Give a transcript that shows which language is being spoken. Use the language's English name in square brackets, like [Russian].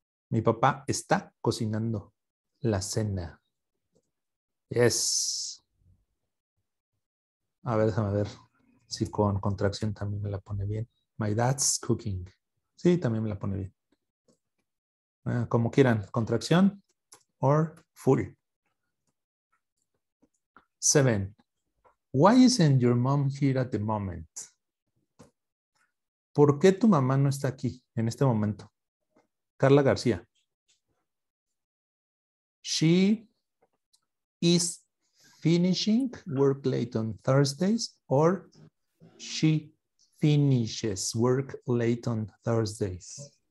[Spanish] Mi papá está cocinando la cena. [English] Yes. [Spanish] A ver, déjame ver si con contracción también me la pone bien. [English] My dad's cooking. [Spanish] Sí, también me la pone bien. Como quieran, contracción or full. 7. [English] Why isn't your mom here at the moment? [Spanish] ¿Por qué tu mamá no está aquí en este momento? Carla García. [English] She is finishing work late on Thursdays or she finishes work late on Thursdays?